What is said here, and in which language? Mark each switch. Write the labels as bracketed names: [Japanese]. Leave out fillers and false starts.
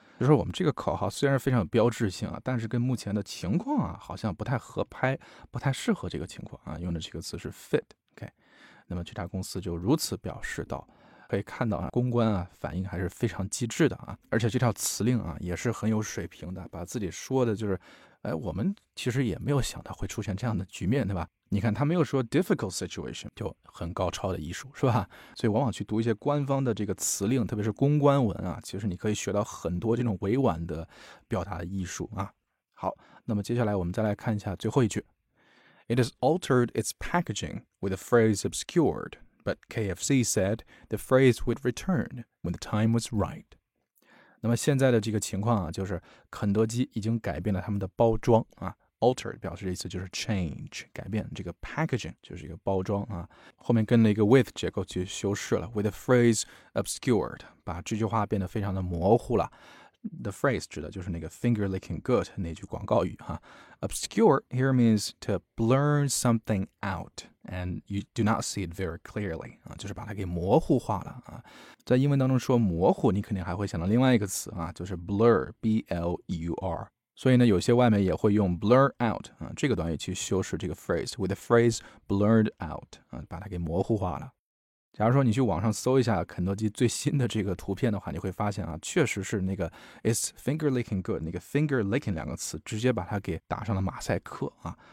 [Chinese] 就是我们这个口号虽然非常有标志性啊，但是跟目前的情况啊好像不太合拍，不太适合这个情况啊，用的这个词是 fit、okay、那么这家公司就如此表示到，可以看到啊，公关啊反应还是非常机智的啊，而且这条词令啊也是很有水平的，把自己说的就是哎，我们其实也没有想到会出现这样的局面，对吧？你看他没有说 difficult situation 就很高超的艺术，是吧？所以往往去读一些官方的这个词令，特别是公关文啊，其实你可以学到很多这种委婉的表达的艺术啊。好，那么接下来我们再来看一下最后一句 [English] ，It has altered its packaging with the phrase obscured, but KFC said the phrase would return when the time was right. [Chinese] 那么现在的这个情况啊，就是肯德基已经改变了他们的包装啊 ，alter 表示的意思就是 change 改变，这个 packaging 就是一个包装啊，后面跟了一个 with 结构去修饰了 ， [English] with the phrase obscured [Chinese] 把这句话变得非常的模糊了。 [English] The phrase [Chinese] 指的就是那个 [English] finger licking good 那句广告语哈、啊、，obscure here means to blur something out and you do not see it very clearly [Chinese] 啊，就是把它给模糊化了啊。在英文当中说模糊，你肯定还会想到另外一个词啊，就是 blur, b l u r。所以呢，有些外媒也会用 blur out 啊这个短语去修饰这个 phrase [English] with the phrase blurred out [Chinese] 啊，把它给模糊化了。假如说你去网上搜一下肯德基最新的这个图片的话，你会发现啊，确实是那个 it's finger licking good 那个 finger licking 两个词直接把它给打上了马赛克啊。